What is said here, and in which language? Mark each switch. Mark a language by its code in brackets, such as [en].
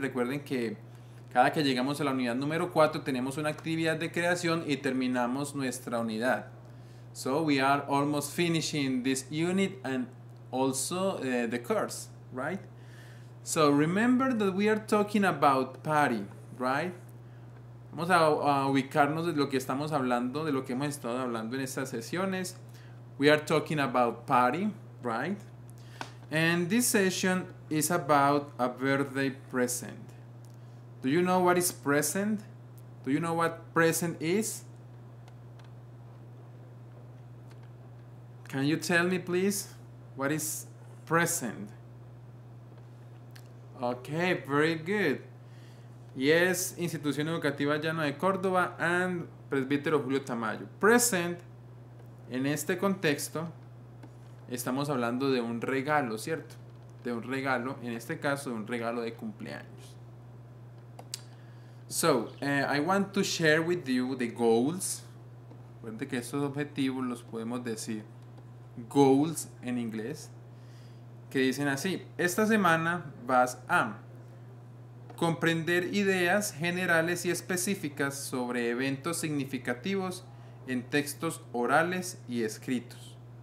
[es] Recuerden que cada que llegamos a la unidad número 4, tenemos una actividad de creación y terminamos nuestra unidad. [en] So, we are almost finishing this unit and also the course, right? So, remember that we are talking about party, right? [es] Vamos a ubicarnos de lo que estamos hablando, de lo que hemos estado hablando en estas sesiones. [en] We are talking about party, right? And this session is about a birthday present. Do you know what is present? Do you know what present is? Can you tell me, please, what is present? Okay, very good. Yes, Institución Educativa Llano de Córdoba and Presbítero Julio Tamayo. [es] Present, en este contexto, estamos hablando de un regalo, ¿cierto? De un regalo, en este caso, de un regalo de cumpleaños. [en] So, I want to share with you the goals. [es] Recuerde que estos objetivos los podemos decir goals en inglés. Que dicen así: esta semana vas a comprender ideas generales y específicas sobre eventos significativos en textos orales y escritos.